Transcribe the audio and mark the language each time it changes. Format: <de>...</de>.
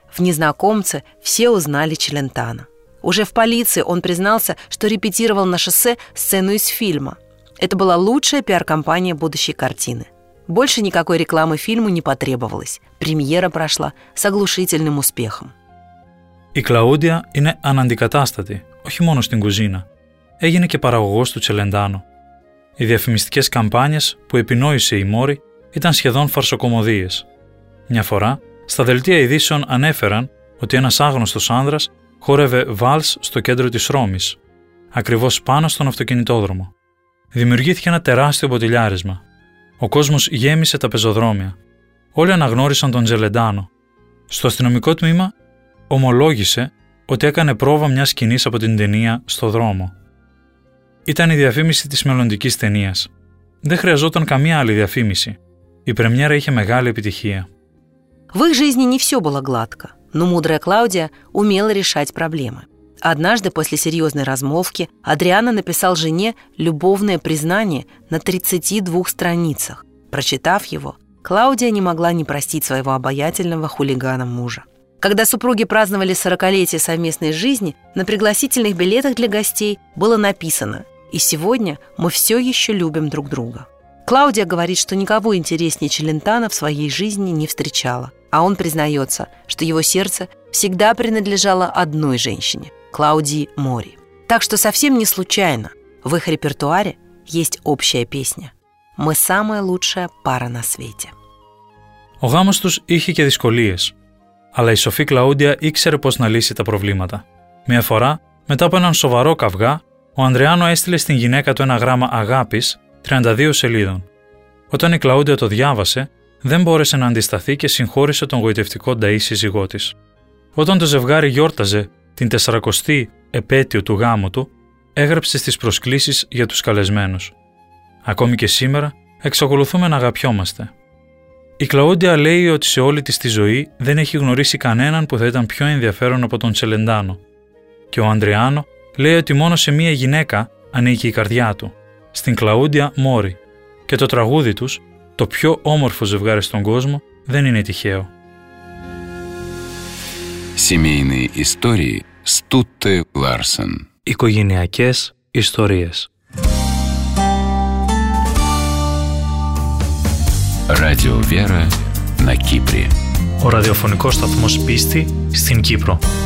<ru>В незнакомце все узнали Челентано. Уже в полиции он признался, что репетировал на шоссе сцену из фильма. Это была лучшая пиар-компания будущей картины. Больше никакой рекламы фильму не потребовалось. Премьера прошла с оглушительным успехом.</ru> <el>Η Κλαούντια είναι αναντικατάστατη, όχι μόνο στην κουζίνα. Έγινε και παραγωγός του Τσελεντάνο. Οι διαφημιστικές καμπάνιες που επινόησε η Μόρη ήταν σχεδόν φαρσοκομωδίες. Μια φορά, στα δελτία ειδήσεων ανέφεραν ότι ένας άγνωστος άνδρας χόρευε βάλς στο κέντρο της Ρώμης, ακριβώς πάνω στον αυτοκινητόδρομο. Δημιουργήθηκε ένα τεράστιο μποτιλιάρισμα. Ο κόσμος γέμισε τα πεζοδρόμια. Όλοι αναγνώρισαν τον Τσελεντάνο. Στο αστυνομικό τμήμα ομολόγησε ότι έκανε πρόβα μιας σκηνής από την ταινία «Στο δρόμο». Ήταν η διαφήμιση της μελλοντικής ταινίας. Δεν χρειαζόταν καμία άλλη διαφήμιση. Η πρεμιέρα είχε μεγάλη επιτυχία.</el> <ru>В их жизни не все было гладко, но мудрая Клаудия умела решать проблемы. Однажды после серьезной размолвки Адриано написал жене любовное признание на 32 страницах. Прочитав его, Клаудия не могла не простить своего обаятельного хулигана мужа. Когда супруги праздновали 40-летие совместной жизни, на пригласительных билетах для гостей было написано «И сегодня мы все еще любим друг друга». Клаудия говорит, что никого интереснее Челентано в своей жизни не встречала. А он признается, что его сердце всегда принадлежало одной женщине – Клаудии Мори. Так что совсем не случайно в их репертуаре есть общая песня «Мы самая лучшая пара на свете».</ru> <el>Ο γάμος τους είχε και δυσκολίες. Αλλά η σοφή Κλαούντια ήξερε πώς να λύσει τα προβλήματα. Μια φορά, μετά από έναν σοβαρό καυγά, ο Ανδριάνο έστειλε στην γυναίκα του ένα γράμμα αγάπης 32 σελίδων. Όταν η Κλαούντια το διάβασε, δεν μπόρεσε να αντισταθεί και συγχώρησε τον γοητευτικό νταΐ σύζυγό της. Όταν το ζευγάρι γιόρταζε την 40η επέτειο του γάμου του, έγραψε στις προσκλήσεις για τους καλεσμένους. Ακόμη και σήμερα, εξακολουθούμε να αγαπιόμαστε. Η Κλαούντια λέει ότι σε όλη της τη ζωή δεν έχει γνωρίσει κανέναν που θα ήταν πιο ενδιαφέρον από τον Τσελεντάνο. Και ο Ανδριάνο λέει ότι μόνο σε μία γυναίκα ανήκει η καρδιά του, στην Κλαούντια Μόρη. Και το τραγούδι τους, το πιο όμορφο ζευγάρι στον κόσμο, δεν είναι τυχαίο.</el> <ru>Семейные истории Стутте Ларсен.</ru> <el>Οικογενειακές ιστορίες.</el> <ru>Радио Вера на Кипре.</ru> <el>Ο ραδιοφωνικός σταθμός πίστη στην Κύπρο.</el>